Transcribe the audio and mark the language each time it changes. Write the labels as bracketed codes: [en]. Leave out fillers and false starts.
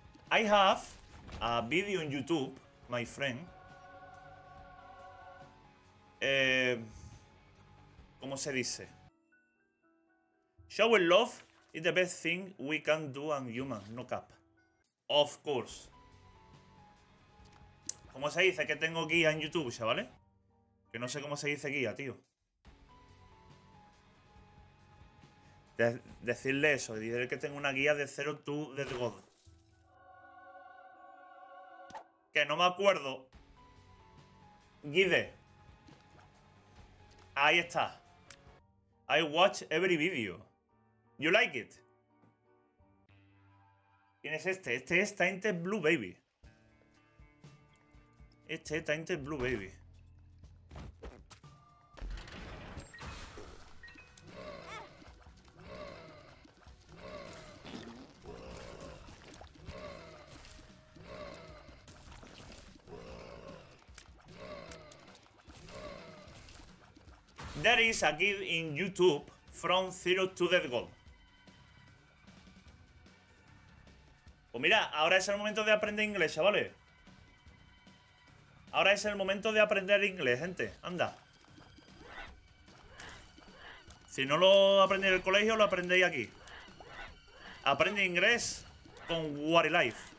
[en] I have a video on YouTube, my friend. [es] ¿Cómo se dice? [en] Showing love is the best thing we can do on human, no cap. Of course. [es] ¿Cómo se dice que tengo guía en YouTube, chavales? Que no sé cómo se dice guía, tío. Decirle eso, decirle que tengo una guía de Zero to the God. Que no me acuerdo. Guide. Ahí está. [en] I watch every video. You like it. [es] ¿Quién es este? Este es Tainted Blue Baby. Este es Tainted Blue Baby. [en] There is a guide in YouTube from Zero to Dead God. [es] Pues mira, ahora es el momento de aprender inglés, chavales. Ahora es el momento de aprender inglés, gente. Anda. Si no lo aprendéis en el colegio, lo aprendéis aquí. Aprende inglés con Warilife.